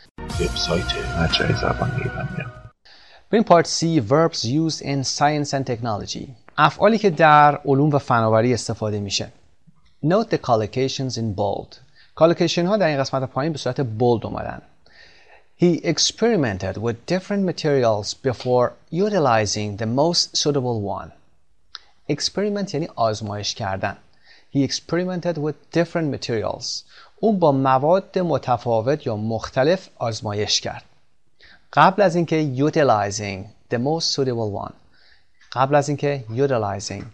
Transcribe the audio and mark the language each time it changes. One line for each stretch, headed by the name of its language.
Persian: وبسایت مجله زبان ایرانی. بریم پارت C،
English: verbs used in science and technology،
Persian: افعالی که در علوم و فناوری استفاده میشه.
English: Note the collocations in bold.
Persian: کالوکیشن ها در این قسمت پایین به صورت بولد اومدن.
English: He experimented with different materials before utilizing the most suitable one.
Persian: experiment یعنی آزمایش کردن.
English: He experimented with different materials.
Persian: اون با مواد متفاوت یا مختلف آزمایش کرد. قبل از اینکه
English: utilizing the most suitable one.
Persian: قبل از اینکه utilizing.